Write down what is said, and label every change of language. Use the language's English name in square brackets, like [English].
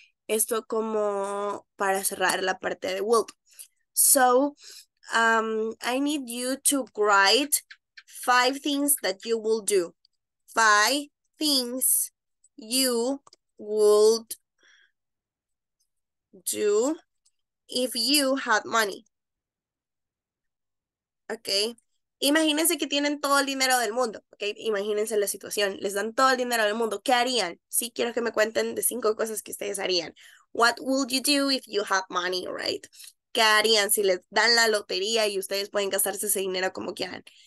[Spanish] Esto como para cerrar la parte de would. [English] So, I need you to write five things that you will do. Five things you would do if you had money. Okay, [Spanish] Imagínense que tienen todo el dinero del mundo, ¿ok? Imagínense la situación. Les dan todo el dinero del mundo. ¿Qué harían? Sí, quiero que me cuenten de 5 cosas que ustedes harían. [English] What would you do if you have money, right? [Spanish] ¿Qué harían si les dan la lotería y ustedes pueden gastarse ese dinero como quieran?